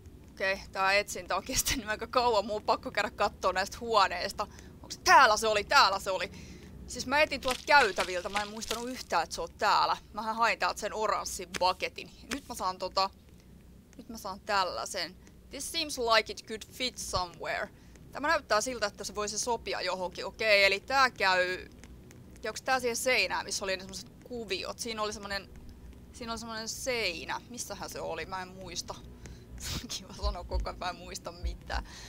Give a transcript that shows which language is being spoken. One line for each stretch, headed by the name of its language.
Finnish: Okei, tää etsintä on kestänyt aika kauan. Mun on pakko käydä kattoo näistä huoneista. Onks täällä se oli. Siis mä etin tuolta käytäviltä. Mä en muistanut yhtään, että se on täällä. Mähän hain täältä sen oranssin paketin. Nyt mä saan tällaisen.
English: This seems like it could fit somewhere.
Finnish: Tämä näyttää siltä, että se voisi sopia johonkin. Okei, eli tää käy... Onks tää siihen seinään, missä oli ne semmoset kuviot? Siinä oli semmonen seinä. Missähän se oli? Mä en muista. Kiva sanoa koko ajan, mä en muista mitään.